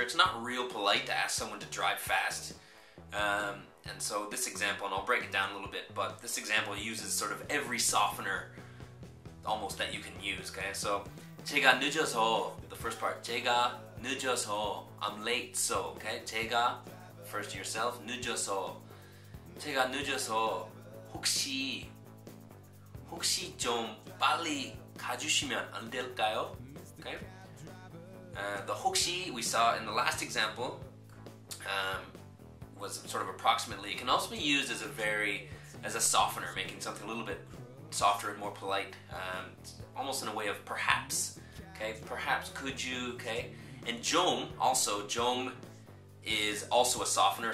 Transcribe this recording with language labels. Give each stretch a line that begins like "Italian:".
English: It's not real polite to ask someone to drive fast. And so this example, and I'll break it down a little bit, but this example uses sort of every softener almost that you can use, okay? So,
Korean: 제가 늦어서,
English: the first part, 제가 늦어서, I'm late, so, okay?
Korean: 제가,
English: first yourself,
Korean: 늦어서, 제가 늦어서, 혹시 혹시 좀 빨리 가주시면 안 될까요?
English: Okay. The 혹시 we saw in the last example was sort of approximately. It can also be used as a softener, making something a little bit softer and more polite, almost in a way of perhaps. Okay, perhaps could you? Okay, and 좀 also 좀 is also a softener.